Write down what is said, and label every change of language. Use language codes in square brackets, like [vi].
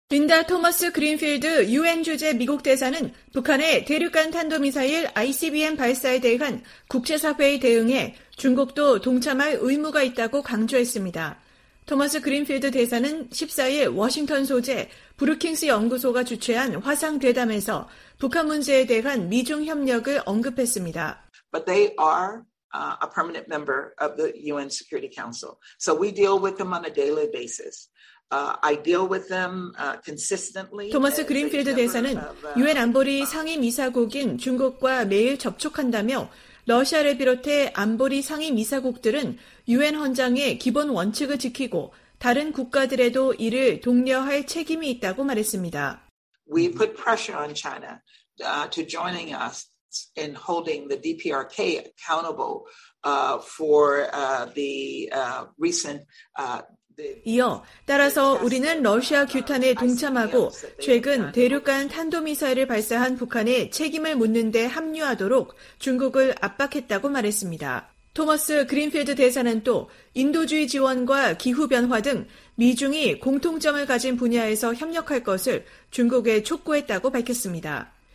[ko] 린다 토머스 그린필드 유엔 주재 미국 대사는 북한의 대륙간 탄도미사일 ICBM 발사에 대한 국제사회의 대응에 중국도 동참할 의무가 있다고 강조했습니다. 토머스 그린필드 대사는 14일 워싱턴 소재 브루킹스 연구소가 주최한 화상대담에서 북한 문제에 대한 미중 협력을 언급했습니다. [en] But they are a permanent member of the UN Security Council. So we deal with them on a daily basis. I deal with them consistently. [ko] 토머스 그린필드 대사는 UN 안보리 상임이사국인 중국과 매일 접촉한다며 러시아를 비롯해 안보리 상임이사국들은 유엔 헌장의 기본 원칙을 지키고 다른 국가들에도 이를 독려할 책임이 있다고 말했습니다. [en] We put pressure on China to joining us in holding the DPRK accountable for the recent [ko] 이어 따라서 우리는 러시아 규탄에 동참하고 최근 대륙간 탄도미사일을 발사한 북한의 책임을 묻는 데 합류하도록 중국을 압박했다고 말했습니다. 토머스 그린필드 대사는 또 인도주의 지원과 기후변화 등 미중이 공통점을 가진 분야에서 협력할 것을 중국에 촉구했다고 밝혔습니다.